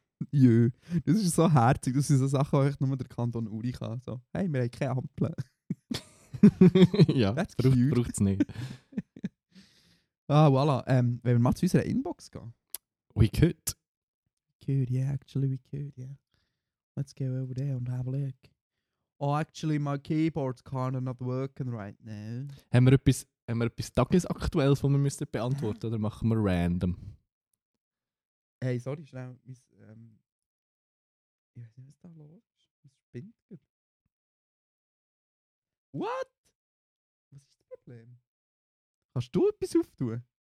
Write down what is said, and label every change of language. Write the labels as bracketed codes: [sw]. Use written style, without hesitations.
[de] Jö, das ist so herzig, das sind so Sachen, die ich nur der Kanton Uri kann. So, hey, wir haben keine Ampeln. Ja, braucht es nicht. Ah, voilà. Wenn wir mal zu unserer Inbox gehen? [en] We could. Could, yeah, actually we could, yeah. Let's go over there and have a look. Oh, actually my keyboard's kind of not working right now. [de] Haben wir etwas Tagesaktuelles, das wir müssen beantworten müssen, oder machen wir random? Hey, sorry, schnell. Ich weiß nicht, was da los ist. Spinnt es? [en] What? [de] Was ist das Problem? Kannst du etwas auftun?